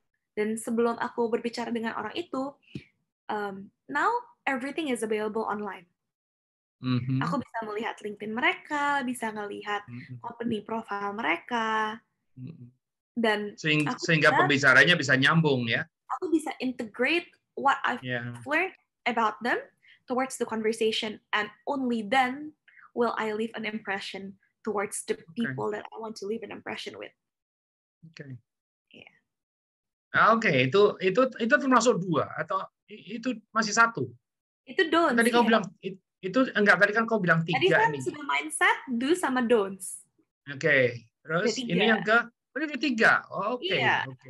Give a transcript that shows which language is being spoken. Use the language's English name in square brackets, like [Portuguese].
[Indonesian] Dan sebelum aku berbicara dengan orang itu, [English] now everything is available online. Mm-hmm. [Indonesian] Aku bisa melihat LinkedIn mereka, bisa ngelihat company profile mereka. Dan sehingga pembicaranya bisa nyambung ya. Aku bisa [English] integrate what I've learned about them towards the conversation, and only then will I leave an impression towards the people that I want to leave an impression with. Okay. Yeah. [Indonesian] Okay, itu termasuk dua atau itu masih satu? Itu don't. Tadi kau bilang itu enggak, tadi kan kau bilang tiga. Tadi kan sudah mindset do sama don'ts. Okay. Terus ketiga. Ini yang ketiga. Okay. [English] Yeah.